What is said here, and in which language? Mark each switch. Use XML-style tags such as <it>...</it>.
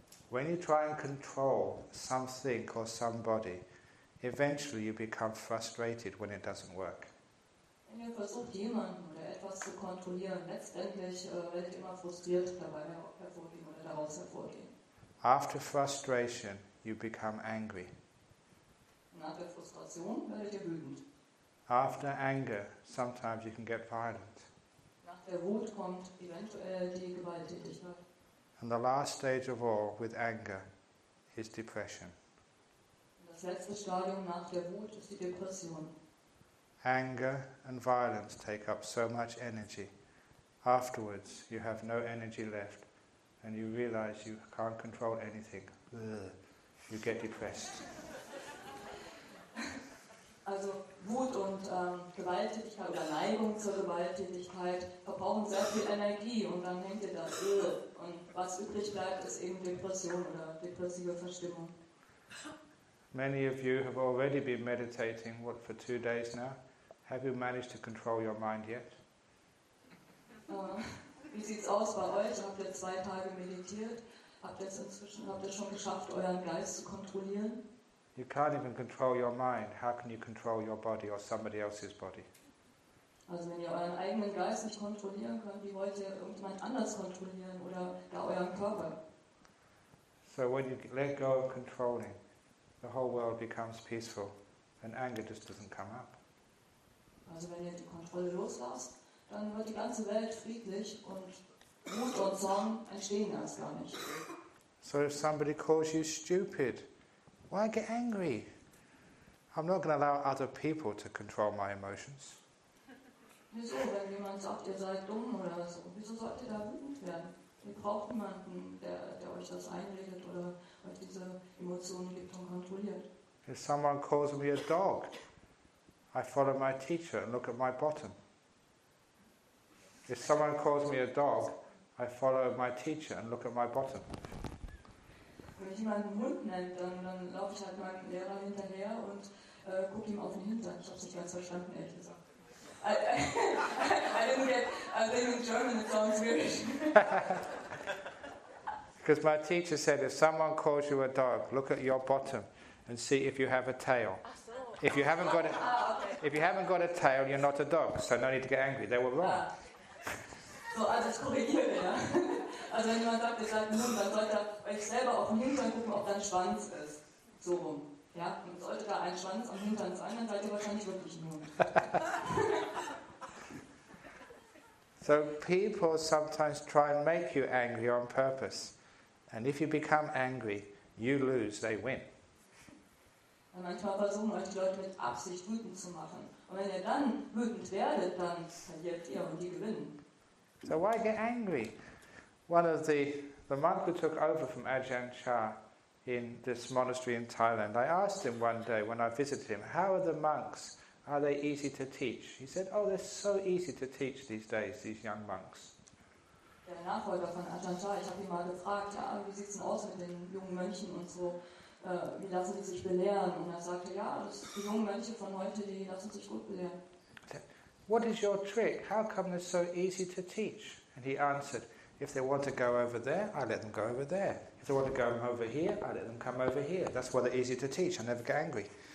<en>When you try and control something or somebody, eventually you become frustrated when it doesn't work.</en> <de>Wenn ihr versucht, jemanden oder etwas zu kontrollieren, letztendlich werdet ihr immer frustriert dabei hervorgehen oder daraus hervorgehen.</de> <en>After frustration, you become angry.</en> <de>Nach der Frustration werdet ihr wütend.</de> <en>After anger, sometimes you can get violent.</en> <de>Nach der Wut kommt eventuell die Gewalttätigkeit.</de> <en>And the last stage of all, with anger, is depression.</en> <de>Das letzte Stadium nach der Wut ist die Depression.</de> <en>Anger and violence take up so much energy. Afterwards, you have no energy left, and you realize you can't control anything. Ugh. You get depressed.</en> <de>Also Wut und Gewalttätigkeit oder Neigung zur Gewalttätigkeit verbrauchen sehr viel Energie und dann hängt ihr da still. Und was übrig bleibt, ist eben Depression oder depressive Verstimmung.</de> <en>Many of you have already been meditating, what, for 2 days now? Have you managed to control your mind yet?</en> <de>Wie sieht's aus bei euch? Habt ihr 2 Tage meditiert? Habt ihr schon geschafft, euren Geist zu kontrollieren?</de> <en>You can't even control your mind. How can you control your body or somebody else's body?</en> <de>Also wenn ihr euren eigenen Geist nicht kontrollieren könnt, wie wollt ihr irgendjemand anders kontrollieren oder da euren Körper?</de> <en>So when you let go of controlling, the whole world becomes peaceful and anger just doesn't come up.</en> <de>Also wenn ihr die Kontrolle loslasst, dann wird die ganze Welt friedlich und Wut und Zorn entstehen erst gar nicht.</de> <en>So if somebody calls you stupid, why get angry? I'm not going to allow other people to control my emotions.</en> <de>Wieso, wenn jemand sagt, ihr seid dumm oder so, wieso sollt ihr da wütend werden? Ihr braucht niemanden, der euch das einredet oder euch diese Emotionen gibt und kontrolliert.</de> <en>If someone calls me a dog, I follow my teacher and look at my bottom. If someone calls me a dog, I follow my teacher and look at my bottom.</en> <de>Wenn mich jemand einen Hund nennt, dann laufe ich halt meinem Lehrer hinterher und gucke ihm auf den Hintern. Ich habe es nicht ganz verstanden, ehrlich gesagt.</de> <en>I didn't in German, it sounds weird. Because my teacher said, if someone calls you a dog, look at your bottom and see if you have a tail.</en> <de>Ach so.</de> <en>If you haven't got if you haven't got a tail, you're not a dog. So no need to get angry. They were wrong.</en> <de>So, also das korrigiere, ja. Also wenn jemand sagt, ihr seid ein Hund, dann sollte er euch selber auf den Hintern gucken, ob da ein Schwanz ist. So rum. Ja? Und sollte da ein Schwanz am Hintern sein, dann seid ihr wahrscheinlich wirklich ein Hund.</de> <en>So people sometimes try and make you angry on purpose. And if you become angry, you lose, they win.</en> <de>Und manchmal versuchen euch die Leute mit Absicht wütend zu machen. Und wenn ihr dann wütend werdet, dann verliert ihr und die gewinnen.</de> <en>So why get angry? One of the monk who took over from Ajahn Chah in this monastery in Thailand, I asked him one day when I visited him, how are the monks? Are they easy to teach? He said, oh, they're so easy to teach these days, these young monks.</en> <de>Der Nachfolger von Ajahn Chah, ich habe ihn mal gefragt, ja, wie sieht es denn aus mit den jungen Mönchen und so? Wie lassen die sich belehren? Und er sagte, ja, die jungen Mönche von heute, die lassen sich gut belehren.</de> <en>What is your trick? How come they're so easy to teach? And he answered, if they want to go over there, I let them go over there. If they want to go over here, I let them come over here. That's why they're easy to teach. I never get angry.</en>